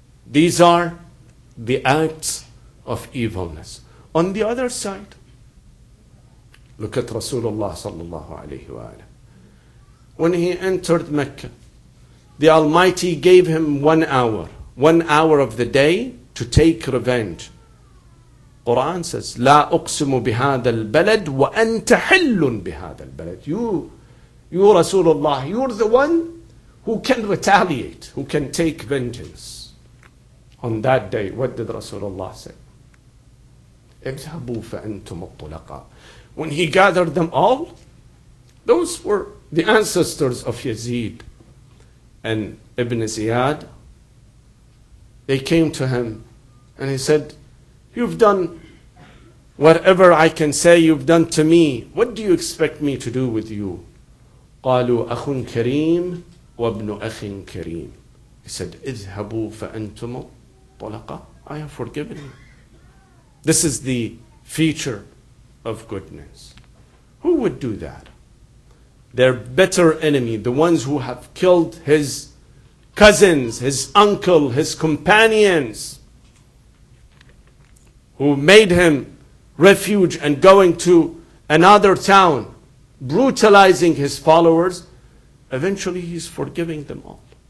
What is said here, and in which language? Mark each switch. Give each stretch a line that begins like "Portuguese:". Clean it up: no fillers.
English: These are the acts of evilness. On the other side, look at Rasulullah sallallahu alayhi wa alayhi. When he entered Mecca, the Almighty gave him 1 hour of the day to take revenge. Quran says,
Arabic: لا أقسم بهذا البلد وأنت حل بهذا البلد.
English: You Rasulullah, you're the one who can retaliate, who can take vengeance. On that day, what did Rasulullah say?
Arabic: اذهبوا فأنتم الطلقاء.
English: When he gathered them all, those were the ancestors of Yazid, and Ibn Ziyad, they came to him and he said, "You've done whatever I can say you've done to me. What do you expect me to do with you?"
Arabic: قالوا أخٌ كريم وابن أخٍ كريم.
English: He said,
Arabic: "اذهبوا فأنتم طلقة."
English: I have forgiven you. This is the feature of goodness. Who would do that? Their bitter enemy, the ones who have killed his cousins, his uncle, his companions, who made him refuge and going to another town, brutalizing his followers, eventually he's forgiving them all.